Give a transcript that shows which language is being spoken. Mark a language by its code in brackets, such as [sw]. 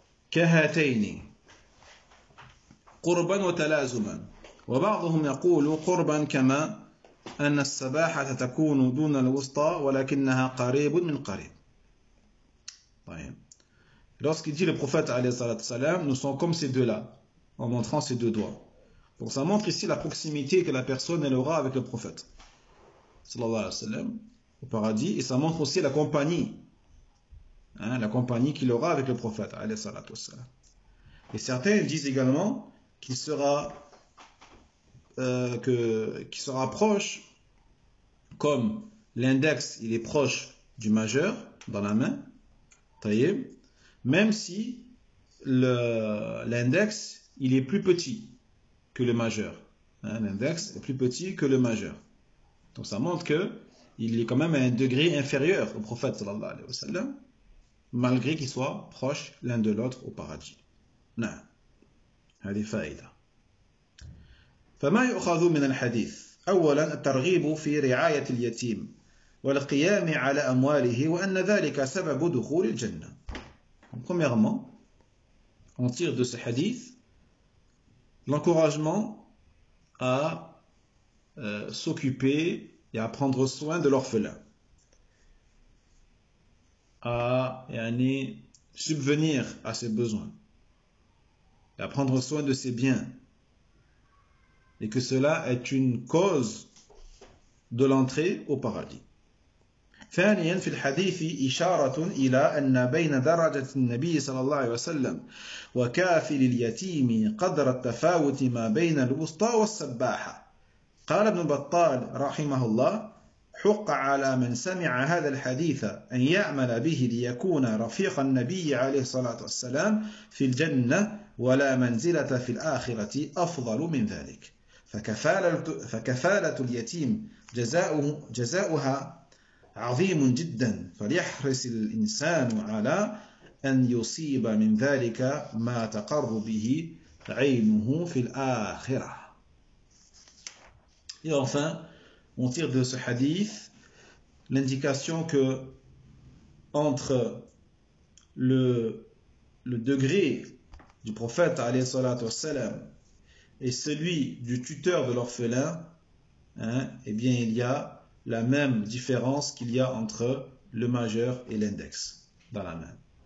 [ar] كهاتين قربا وتلازما وبعضهم يقول قربا كما أن السباحة تكون دون الوسطى ولكنها قريب من قريب. طيب. [fr] Lorsqu'il dit le prophète [ar] عليه الصلاة والسلام, [fr] nous sommes comme ces deux-là, en montrant ces deux doigts. Donc ça montre ici la proximité que la personne elle aura avec le prophète [ar] صلى الله عليه وسلم [fr] au paradis, et ça montre aussi la compagnie. Hein, la compagnie qu'il aura avec le prophète, [ar] alayhi salatu wassalam. [fr] Et certains disent également qu'il sera proche, comme l'index il est proche du majeur dans la main, taïeb, même si l'index il est plus petit que le majeur. Hein, l'index est plus petit que le majeur. Donc ça montre qu'il est quand même à un degré inférieur au prophète, [ar] sallallahu alayhi wa sallam. [fr] Malgré qu'ils soient proches l'un de l'autre au paradis. [ar] Non. هذه فائدة. فما يؤخذ من الحديث أولا الترغيب في رعاية اليتيم والقيام على أمواله وأن ذلك سبب دخول الجنة. [fr] Premièrement, on tire de ce hadith l'encouragement à s'occuper et à prendre soin de l'orphelin. À yani, subvenir à ses besoins et à prendre soin de ses biens, et que cela est une cause de l'entrée au paradis. [ar] ثانياً في الحديث إشارة إلى أن بين درجة النبي صلى الله عليه وسلم وكافل اليتيم قدر التفاوت ما بين الوسطى والسباحة. قال ابن بطال رحمه الله حق على من سمع هذا الحديث أن يعمل به ليكون رفيق النبي عليه الصلاة والسلام في الجنة ولا منزلة في الآخرة أفضل من ذلك. فكفالة اليتيم جزاؤها عظيم جدا، فليحرص الإنسان على أن يصيب من ذلك ما تقر به عينه في الآخرة. [fr] On tire de ce hadith l'indication que entre le degré du prophète [ar] alayhi salatu wassalam [fr] et celui du tuteur de l'orphelin, hein, eh bien il y a la même différence qu'il y a entre le majeur et l'index dans la main.